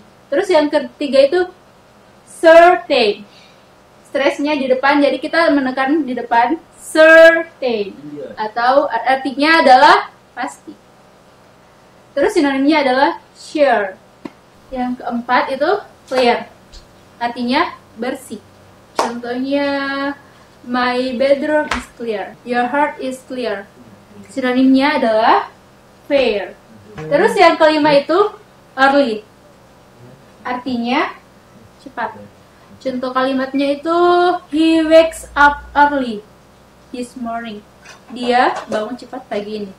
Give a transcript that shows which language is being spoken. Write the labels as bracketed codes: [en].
[id] Terus yang ketiga itu certain. Stresnya di depan, jadi kita menekan di depan certain. Atau artinya adalah pasti. Terus sinonimnya adalah sure. Yang keempat itu clear. Artinya bersih. [en] Contohnya, my bedroom is clear. Your heart is clear. [id] Sinonimnya adalah fair. Terus yang kelima itu early. Artinya cepat. [en] Contoh kalimatnya itu, he wakes up early this morning. [id] Dia bangun cepat pagi ini.